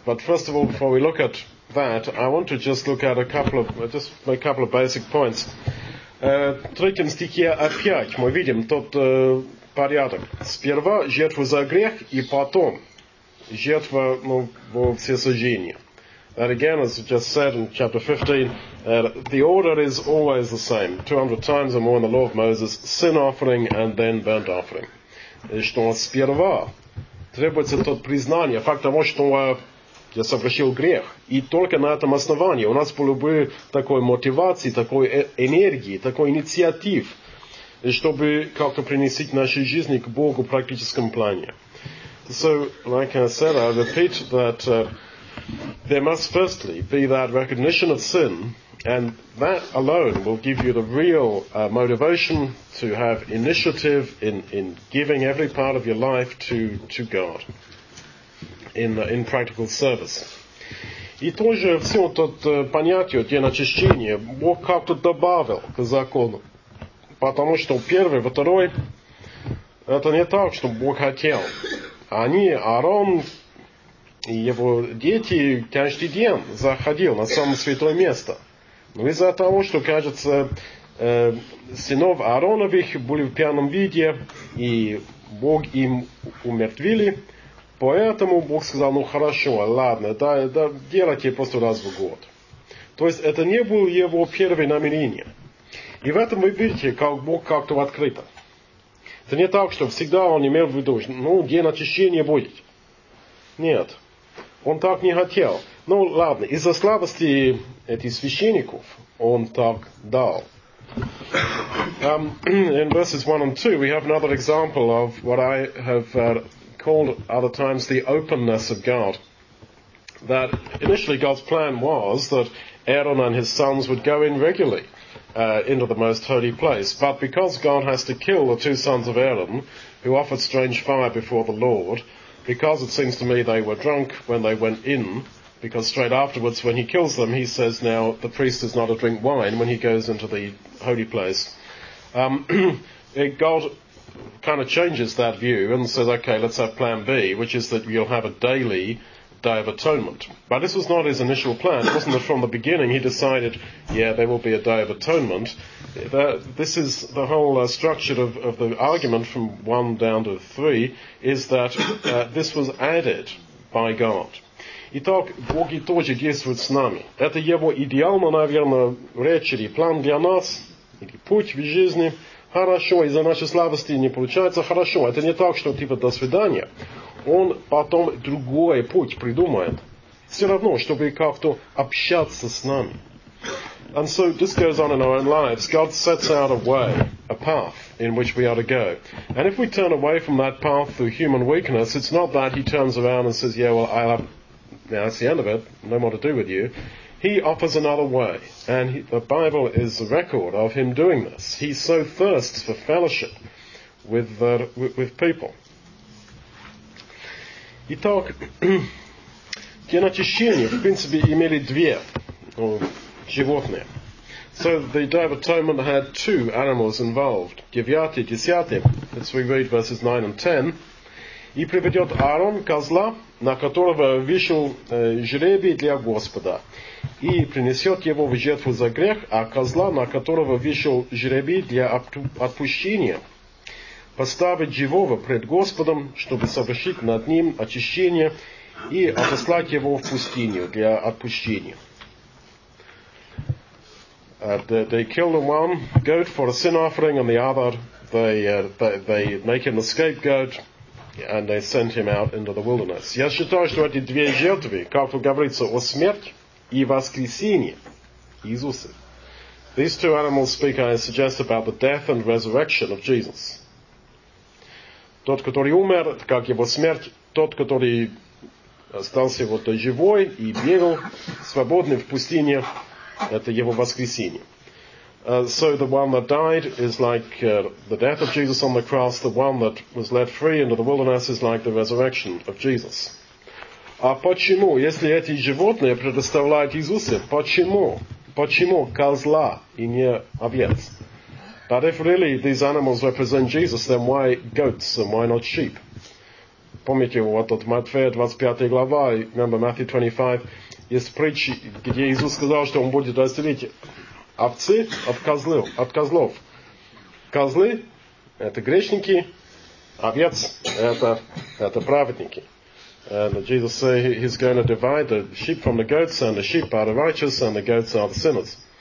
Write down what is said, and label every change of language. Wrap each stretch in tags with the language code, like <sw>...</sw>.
<en>But first of all, before we look at that, I want to just look at a couple of basic points.</en> <ru>Третьем стихе опять мы видим тот порядок. Сперва жертва за грех, и потом жертва во всесожжение.</ru> <en>That again, as we just said in chapter 15, the order is always the same. 200 times or more in the law of Moses, sin offering and then burnt offering.</en> <ru>Что сперва требуется тот признание, факт того, что я совершил грех. И только на этом основании у нас было бы такой мотивации, такой энергии, такой инициатив, чтобы как-то принести нашу жизнь к Богу в практическом плане.</ru> <en>So, like I said, I repeat that there must firstly be that recognition of sin, and that alone will give you the real motivation to have initiative in giving every part of your life to God in practical service.</en> <ru>И тоже все тот понятие, день очищения, Бог как-то добавил к закону. Потому что первый, второй, это не так, что Бог хотел. Они, Аарон и его дети, каждый день заходил на самое святое место. Но из-за того, что, кажется, сынов Аароновых были в пьяном виде, и Бог им умертвили, поэтому Бог сказал, хорошо, ладно, да, делайте просто раз в год. То есть это не было его первое намерение. И в этом вы видите, как Бог как-то открыто. Это не так, что всегда он имел в виду, день очищения будет. Нет, он так не хотел. Ладно, из-за слабости этих священников он так дал.</ru> <en>In verses 1 and 2 we have another example of what I have called other times the openness of God. That initially God's plan was that Aaron and his sons would go in regularly into the most holy place. But because God has to kill the two sons of Aaron, who offered strange fire before the Lord, because it seems to me they were drunk when they went in, because straight afterwards when he kills them, he says now the priest is not to drink wine when he goes into the holy place. God kind of changes that view and says, okay, let's have plan B, which is that you'll have a daily Day of Atonement. But this was not his initial plan. It wasn't that from the beginning he decided, yeah, there will be a Day of Atonement. This is the whole structure of the argument from 1 down to 3, is that this was added by God.</en> <ru>Итак, Боги тоже действуют с нами. Это его идеал, но, наверное, речь или план для нас, или путь в жизни. Хорошо, из-за нашей слабости не получается. Хорошо, это не так, что типа до свидания. Он потом другой путь придумает. Все равно, чтобы как-то общаться с нами.</ru> <en>And so this goes on in our own lives. God sets out a way, a path in which we are to go. And if we turn away from that path through human weakness, it's not that he turns around and says, yeah, well, I have... Now, that's the end of it. No more to do with you. He offers another way. And the Bible is a record of him doing this. He so thirsts for fellowship with people.</en> <ru>Итак, для очищения, в принципе, имели две животные.</ru> <en>So the Day of Atonement had two animals involved.</en> <ru>Девятый, десятый.</ru> <en>Let's reread verses 9 and 10.</en> <ru>И приведет Аарон козла, на которого вышел жребий для Господа, и принесет его в жертву за грех, а козла, на которого вышел жребий для отпущения, поставит живого пред Господом, чтобы совершить над ним очищение и отослать его в пустыню для отпущения.</ru> <en>They kill the one goat for a sin offering, and the other they make him a scapegoat. And they sent him out into the wilderness.</en> <ru>Я считаю, что эти две жертвы, как говорится, о смерти и воскресении Иисуса.</ru> <en>These two animals speak, I suggest, about the death and resurrection of Jesus.</en> <ru>Тот, который умер, как его смерть, тот, который остался вот живой и бегал свободный в пустыне, это его воскресение.</ru> <en>So the one that died is like the death of Jesus on the cross. The one that was led free into the wilderness is like the resurrection of Jesus.</en> <ru>А почему, если эти животные предоставляют Иисусу, почему козла и не овец?</ru> <en>But if really these animals represent Jesus, then why goats and why not sheep?</en> <ru>Помните, вот от Матфея 25 глава,</ru> <en>remember Matthew 25,</en> <ru>есть притча, где Иисус сказал, что он будет разделить овцы от козлов. Козлы – это грешники, овец – это праведники.</ru> <en>And Jesus said he's going to divide the sheep from the goats, and the sheep are the righteous, and the goats are the sinners.</en>